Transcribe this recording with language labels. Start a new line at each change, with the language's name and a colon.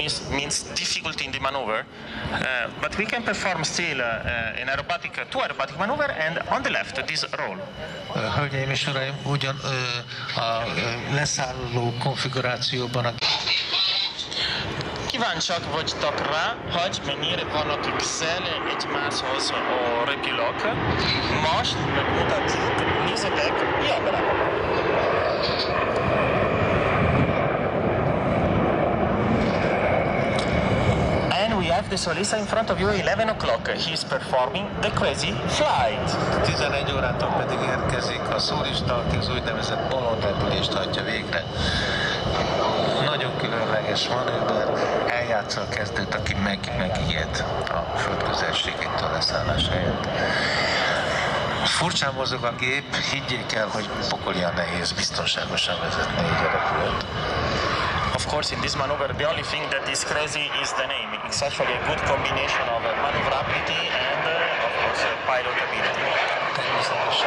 English: Means difficulty in the maneuver, but we can perform still an aerobatic, two aerobatic maneuver, and on the left this roll.
Hungarian: Hölgyeim és uraim, ugyan a leszálló konfigurációban. Kíváncsiak vagytok rá, hogy mennyire vannak közel egymáshoz a repülők. Most megmutatjuk, nézzetek, jobbra.
English: the solista in front of you at 11 o'clock. He's performing the crazy flight.
Hungarian: 11 órától pedig érkezik a szólista, aki az úgynevezett bolond repülést hagyja végre. Nagyon különleges manőver. Eljátsza a kezdőt, aki megijed a földközelségétől leszállás helyett. Furcsán mozog a gép, higgyék el, hogy pokolian nehéz biztonságosan vezetni egy repülőt.
English: Of course, in this maneuver, the only thing that is crazy is the name. It's actually a good combination of maneuverability and, of course, pilot ability.